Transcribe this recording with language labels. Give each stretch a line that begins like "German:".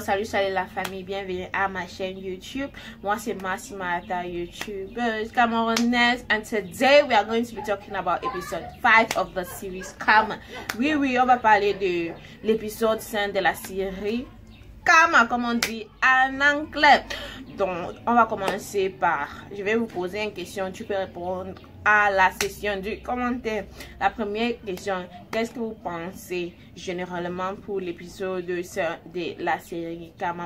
French: Salut, salut la famille, bienvenue à ma chaîne YouTube. Moi c'est Massimata, YouTuber Camerounaise,
English: and today we are going to be talking about episode 5 of the series Karma.
French: Oui, oui, on va parler de l'épisode 5 de la série Karma, comme on dit en anglais. Donc, on va commencer par, je vais vous poser une question, tu peux répondre à la session du commentaire. La première question, qu'est-ce que vous pensez généralement pour l'épisode 5 de la série Karma?